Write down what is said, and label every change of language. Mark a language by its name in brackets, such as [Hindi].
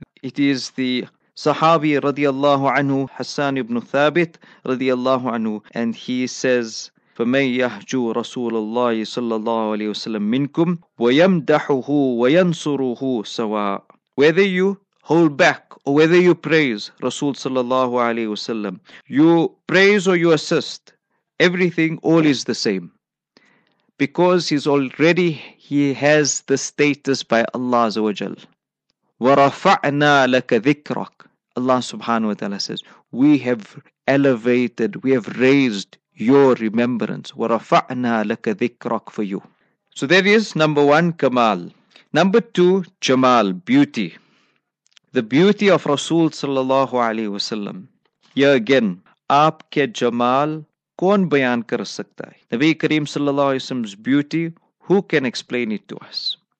[English] It is the Sahabi radiallahu anhu, Hassan ibn Thabit radiallahu anhu, and he says, [Arabic] فَمَنْ يَحْجُو رَسُولَ اللَّهِ صَلَّى اللَّهُ عَلَيْهُ وَسَلَّمْ مِنْكُمْ وَيَمْدَحُهُ وَيَنْصُرُهُ سَوَاءً [English] Whether you hold back or whether you praise Rasul sallallahu alayhi wa sallam, you praise or you assist, everything, all is the same. Because he has the status by Allah azza wa jal. [Arabic] وَرَفَعْنَا لَكَ ذِكْرَكَ [English] Allah subhanahu wa ta'ala says, we have elevated, we have raised your remembrance. [Arabic] وَرَفَعْنَا لَكَ ذِكْرَكَ [English] for you. So that is number one, kamal. Number two, jamal, beauty. The beauty of Rasul sallallahu alayhi wa sallam. Here again, [Urdu] aapke jamal koon bayan kar sakta hai? [English] Nabi Karim sallallahu alayhi wa sallam's beauty, who can explain it to us?